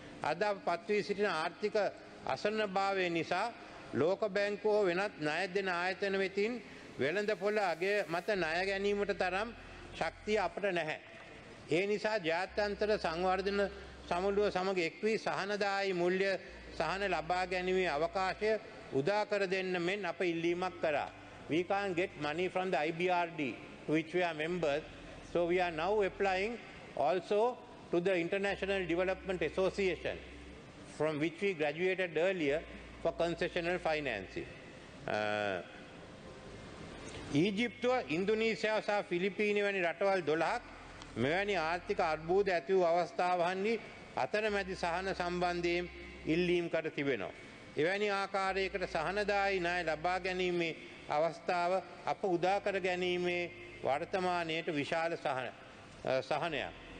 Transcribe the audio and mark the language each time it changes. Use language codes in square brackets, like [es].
[si] අද අපපත් වී සිටින ආර්ථික අසන්නභාවය නිසා ලෝක බැංකුව වෙනත් ණය දෙන ආයතන වෙතින් වෙළඳ පොළ අගය මත ණය ගැනීමට තරම් ශක්තිය අපට නැහැ. ඒ නිසා ජාත්‍යන්තර සංවර්ධන සමුළුව සමග එක්වී සහනදායි මුල්‍ය සහන ලබා ගැනීමේ අවකාශය උදා කර දෙන්න මෙන් අප ඉල්ලීමක් කරා. [en] We can't get money from the IBRD to which we are members, so we are now applying also to the International Development Association from which we graduated earlier for concessional financing. [si] ඊජිප්තු, ඉන්දුනීසියා සහ ෆිලිපීනි වැනි රටවල් 12ක් මෙවැනි ආර්ථික අර්බුද ඇති වූ අවස්ථාවන්හි අතරමැදි සහන සම්බන්ධයෙන් ඉල්ලීම් කර තිබෙනවා. එවැනි ආකාරයකට සහනදායි ණය ලබා ගැනීමේ අවස්ථාව අප උදා කර ගැනීමේ වර්තමානයේට විශාල සහනයක්.